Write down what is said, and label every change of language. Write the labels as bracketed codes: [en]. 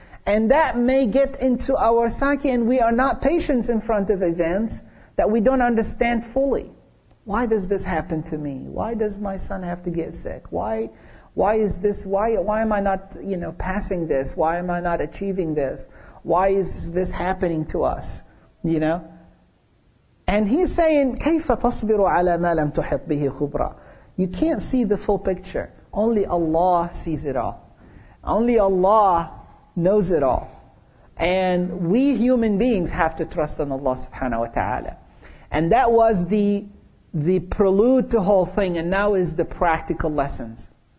[en] And that may get into our psyche, and we are not patient in front of events that we don't understand fully. Why does this happen to me? Why does my son have to get sick? Why is this? Why am I not, you know, passing this? Why am I not achieving this? Why is this happening to us? You know? And he's saying, [ar] كَيْفَ تَصْبِرُ عَلَى مَا لَمْ تُحِطْ بِهِ خُبْرًا. [en] You can't see the full picture. Only Allah sees it all. Only Allah knows it all. And we human beings have to trust in Allah subhanahu wa ta'ala. And that was the prelude to the whole thing, and now is the practical lessons.